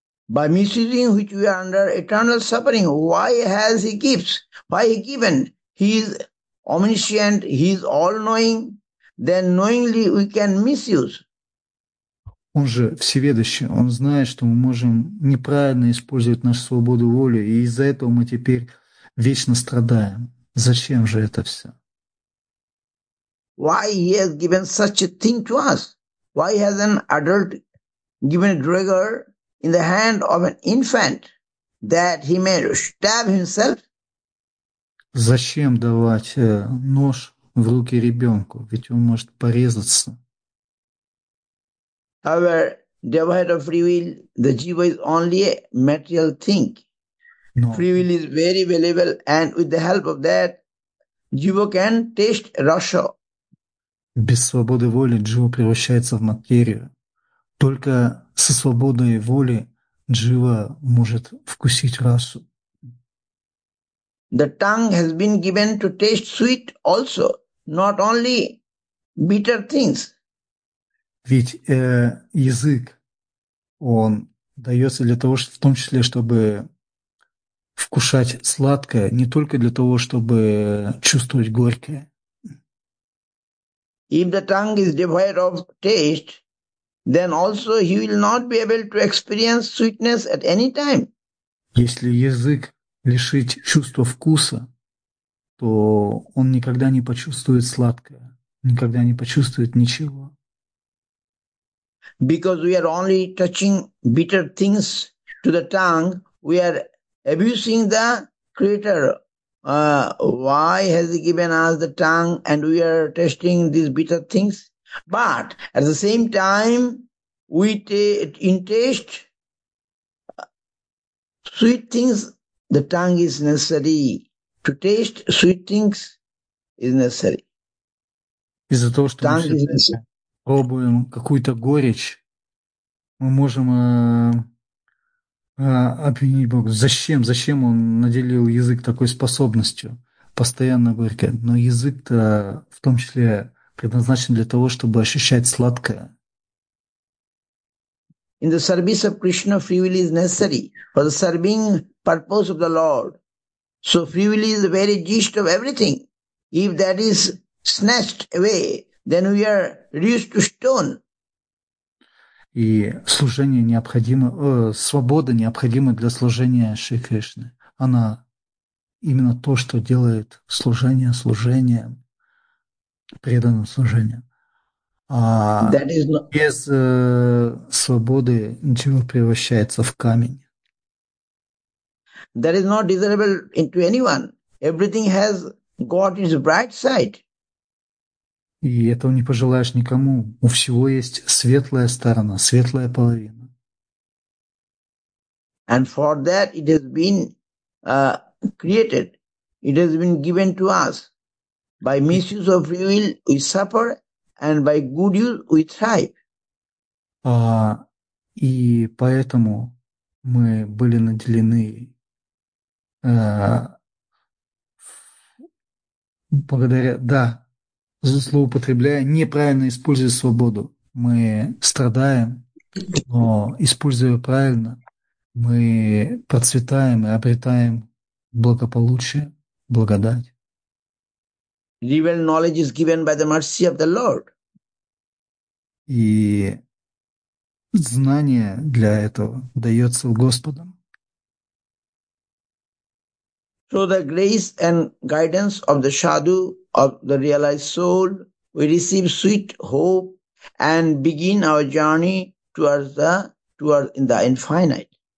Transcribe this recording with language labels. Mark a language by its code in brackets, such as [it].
[en] By misusing which we are under eternal suffering, why has he given? He is omniscient, he is all-knowing, then knowingly we can misuse. [ru] Он же всеведущий, он знает, что мы можем неправильно использовать нашу свободу воли, и из-за этого мы теперь вечно страдаем. Зачем же это все? [en] Why he has given such a thing to us? Why has an adult given a dagger in the hand of an infant that he may stab himself? [ru] Зачем давать нож в руки ребенку? Ведь он может порезаться. [en] However, devoid of free will, the jiva is only a material thing. No. Free will is very valuable, and with the help of that, jiva can taste rasa. [ru] Без свободы воли джива превращается в материю. Только со свободой воли джива может вкусить расу. [en] The tongue has been given to taste sweet also, not only bitter things. [ru] Ведь язык, он дается для того, в том числе, чтобы вкушать сладкое, не только для того, чтобы чувствовать горькое. [en] If the tongue is devoid of taste, then also he will not be able to experience sweetness at any time. [ru] Если язык лишить чувства вкуса, то он никогда не почувствует сладкое, никогда не почувствует ничего. [en] Because we are only touching bitter things to the tongue, we are abusing the Creator. Why has He given us the tongue and we are tasting these bitter things? But at the same time, we taste sweet things. The tongue is necessary. To taste sweet things is necessary. [ru] Из-за того, что tongue мы пробуем какую-то горечь, мы можем обвинить Бога. Зачем? Зачем Он наделил язык такой способностью? Постоянно горькое. Но язык-то в том числе предназначен для того, чтобы ощущать сладкое. [en] In the service of Krishna, free will is necessary for the serving purpose of the Lord. So free will is the very gist of everything. If that is snatched away, then we are reduced to stone. [ru] И служение необходимо, свобода необходима для служения Шри Кришны. Она именно то, что делает служение служением, преданным служением. А [en] that is not... [ru] без свободы ничего превращается в камень. [en] That is not desirable to anyone. Everything has got its bright side. [ru] И этого не пожелаешь никому. У всего есть светлая сторона, светлая половина. [en] And for that it has been created. It has been given to us. By misuse of free will we suffer, and by good use we thrive. [ru] И поэтому мы были наделены благодаря... Да. Злоупотребляя, неправильно используя свободу, мы страдаем, но используя правильно, мы процветаем и обретаем благополучие, благодать. [en] Revealed knowledge is given by the mercy of the Lord. [ru] И знание для этого дается Господом. [en] So the grace and guidance of the sadhu, of the realized soul, we receive sweet hope and begin our journey towards the infinite.